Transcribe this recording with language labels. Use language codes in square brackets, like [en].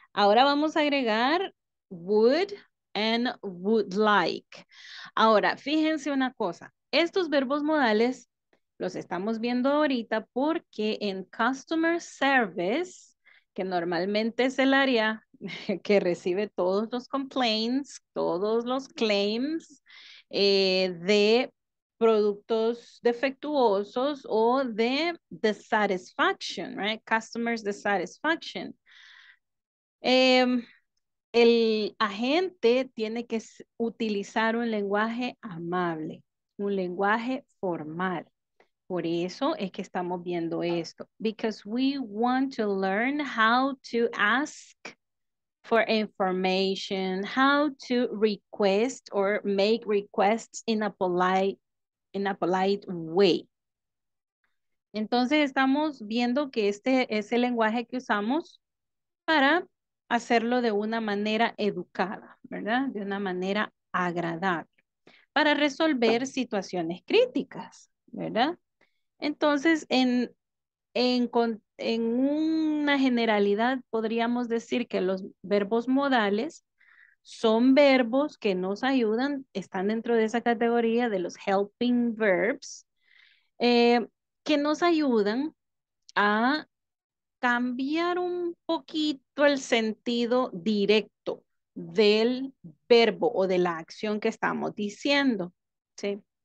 [es] Ahora vamos a agregar would and would like. Ahora, fíjense una cosa. Estos verbos modales los estamos viendo ahorita porque en customer service, que normalmente es el área que recibe todos los complaints, todos los claims de productos defectuosos o de dissatisfaction, right? Customer's dissatisfaction. El agente tiene que utilizar un lenguaje amable, un lenguaje formal. Por eso es que estamos viendo esto. [en] Because we want to learn how to ask for information, how to request or make requests in a polite way. [es] Entonces estamos viendo que este es el lenguaje que usamos para hacerlo de una manera educada, ¿verdad? De una manera agradable para resolver situaciones críticas, ¿verdad? Entonces en una generalidad podríamos decir que los verbos modales son verbos que nos ayudan, están dentro de esa categoría de los helping verbs, que nos ayudan a cambiar un poquito el sentido directo del verbo o de la acción que estamos diciendo, ¿sí?